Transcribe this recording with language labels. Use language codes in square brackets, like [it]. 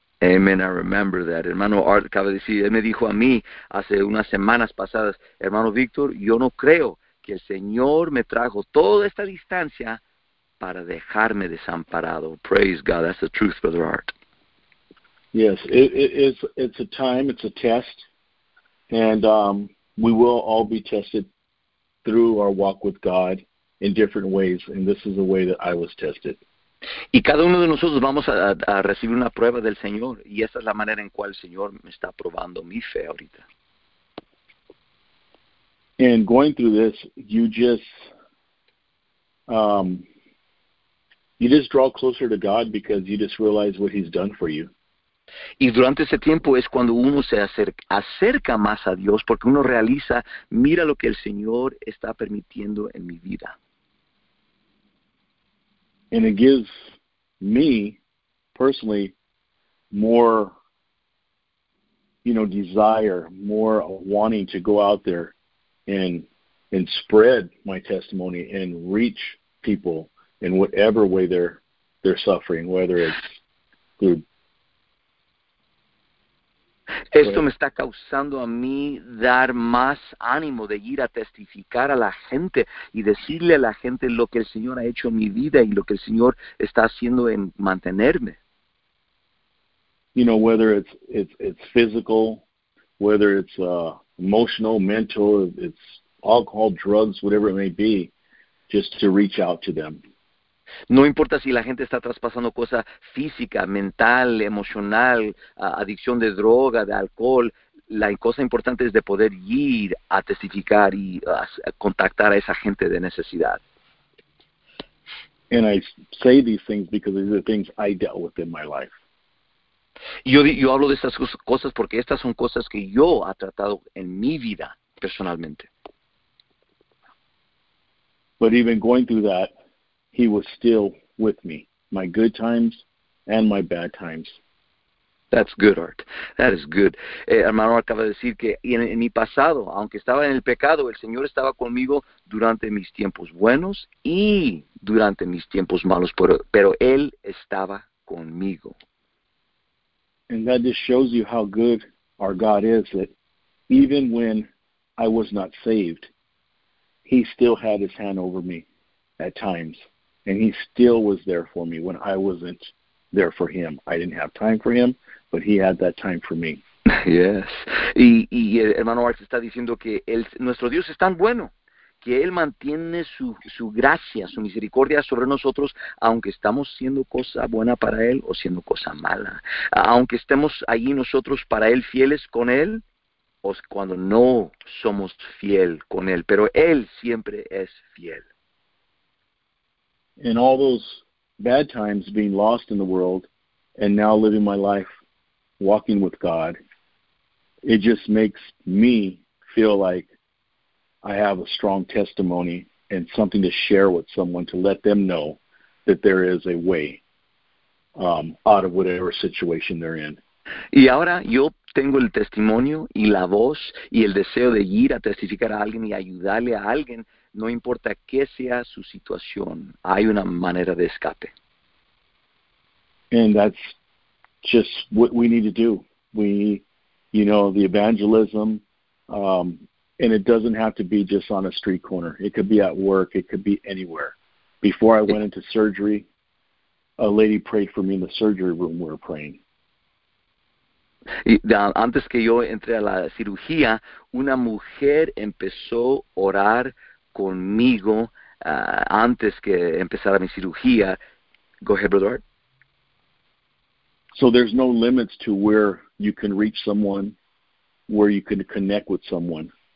[en] Amen, I remember that. [es] Hermano Art, acaba de decir, él me dijo a mí hace unas semanas pasadas, hermano Víctor, yo no creo que el Señor me trajo toda esta distancia para dejarme desamparado. [en] Praise God, that's the truth, Brother Art. Yes, it's a time, it's a test, and we will all be tested through our walk with God in different ways, and this is the way that I was tested. [es] Y cada uno de nosotros vamos a recibir una prueba del Señor, y esa es la manera en cual el Señor me está probando mi fe ahorita. [en] And going through this, you just draw closer to God because you just realize what He's done for you. [es] Y durante ese tiempo es cuando uno se acerca más a Dios porque uno realiza, mira lo que el Señor está permitiendo en mi vida. [en] And it gives me personally more, desire, more wanting to go out there and spread my testimony and reach people in whatever way they're suffering, whether it's through. Go [es] Esto [en] ahead. [es] me está causando a mí dar más ánimo de ir a testificar a la gente y decirle a la gente lo que el Señor ha hecho en mi vida y lo que el Señor está haciendo en mantenerme. [en] Whether it's physical, whether it's emotional, mental, it's alcohol, drugs, whatever it may be, just to reach out to them. [es] No importa si la gente está traspasando cosas físicas, mental, emocional, adicción de droga, de alcohol, la cosa importante es de poder ir a testificar y a contactar a esa gente de necesidad. [en] And I say these things because these are things I dealt with in my life. [es] Yo hablo de estas cosas porque estas son cosas que yo he tratado en mi vida personalmente. [en] But even going through that, he was still with me, my good times and my bad times. That's good, Art. That is good. [es] Hermano acaba de decir que en mi pasado, aunque estaba en el pecado, el Señor estaba conmigo durante mis tiempos buenos y durante mis tiempos malos, pero Él estaba conmigo. [en] And that just shows you how good our God is, that even when I was not saved, He still had his hand over me at times, and he still was there for me when I wasn't there for him. I didn't have time for him, but he had that time for me. [es] Yes, y hermano Arce está diciendo que nuestro Dios es tan bueno que Él mantiene su gracia, su misericordia sobre nosotros, aunque estamos siendo cosa buena para Él o siendo cosa mala, aunque estemos allí nosotros para Él fieles con Él o cuando no somos fiel con Él, pero Él siempre es fiel. [en] And all those bad times being lost in the world and now living my life walking with God, it just makes me feel like I have a strong testimony and something to share with someone to let them know that there is a way, out of whatever situation they're in. [es] Y ahora yo tengo el testimonio y la voz y el deseo de ir a testificar a alguien y ayudarle a alguien, no importa qué sea su situación, hay una manera de escape. [en] And that's just what we need to do. The evangelism, and it doesn't have to be just on a street corner. It could be at work, it could be anywhere. Before I went into surgery, a lady prayed for me in the surgery room. We were praying. [es] Y antes que yo entré a la cirugía, una mujer empezó a orar conmigo antes que empezara mi cirugía. [en] Go ahead, Brother Art. So there's no limits to where you can reach someone, where you can connect with someone.